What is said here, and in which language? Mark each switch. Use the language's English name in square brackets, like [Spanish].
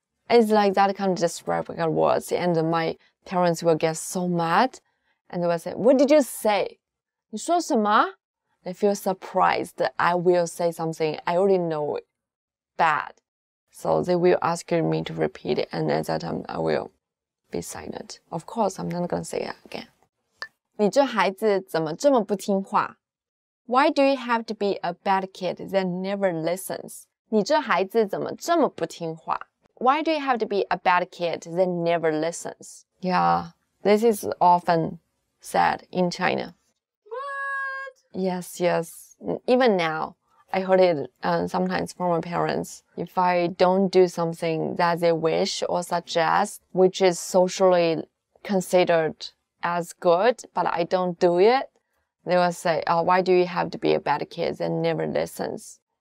[English] It's like that kind of disrespectful words, and my parents will get so mad, and they will say, What did you say? [Chinese] 你说什么? [English] I feel surprised that I will say something I already know bad. So they will ask me to repeat it, and at that time I will be silent. Of course, I'm not going to say it again. [Chinese] 你这孩子怎么这么不听话? [English] Why do you have to be a bad kid that never listens? [Chinese] 你这孩子怎么这么不听话? [English] Why do you have to be a bad kid that never listens? Yeah, this is often said in China. Yes. Even now, I heard it sometimes from my parents. If I don't do something that they wish or suggest, which is socially considered as good, but I don't do it, they will say, why do you have to be a bad kid that never listens?